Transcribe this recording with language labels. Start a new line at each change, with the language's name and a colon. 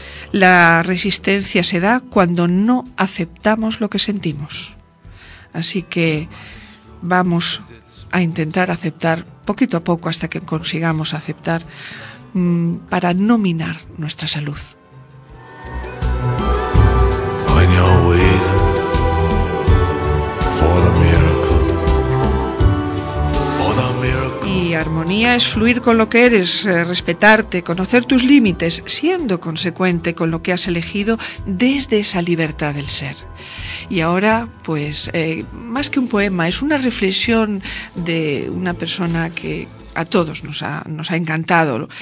Spanish: La resistencia se da cuando no aceptamos lo que sentimos. Así que vamos a intentar aceptar poquito a poco hasta que consigamos aceptar para no minar nuestra salud.
English: When you're waiting for a miracle, for a miracle.
Spanish: Y armonía es fluir con lo que eres, respetarte, conocer tus límites, siendo consecuente con lo que has elegido desde esa libertad del ser. Y ahora, pues, más que un poema, es una reflexión de una persona que a todos nos ha encantado.